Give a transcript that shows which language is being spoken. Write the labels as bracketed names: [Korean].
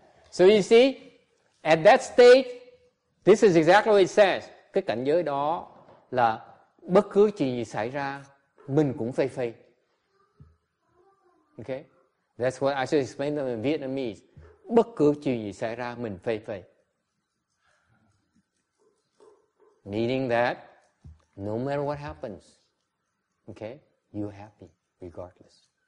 [English] So you see, at that state, this is exactly what it says. [Vietnamese] Cái cảnh giới đó là bất cứ chuyện gì xảy ra, mình cũng phê phê. [English] Okay? That's what I should explain them in Vietnamese. [Vietnamese] Bất cứ chuyện gì xảy ra, mình phê phê. [English] Meaning that, no matter what happens, okay, you're happy regardless.